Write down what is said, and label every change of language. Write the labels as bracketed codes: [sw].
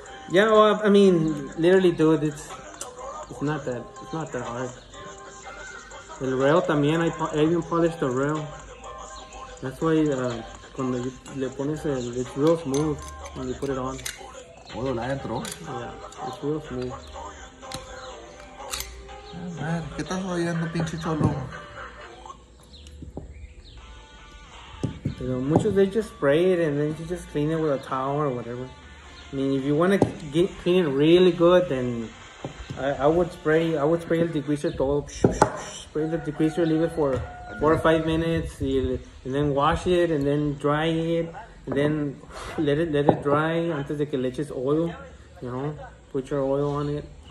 [en] Yeah, well, I mean, literally, dude, it's not that hard. [es] El rail también, [en] I even polished the rail. That's why [es] cuando le pones el, [en] it's real smooth when you put it on. [es] ¿Puedo hablar adentro? [en] Yeah, it's real smooth. [es] Man, ¿qué estás oyendo, pinche cholo? [en] You know, muchos they just spray it and then you just clean it with a towel or whatever. I mean, if you want to clean it really good, then I would spray el degreaser todo. Spray the degreaser, leave it for 4 or 5 minutes, and then wash it, and then dry it, and then let it dry [es] antes de que le eches [en] oil, you know, put your oil on it.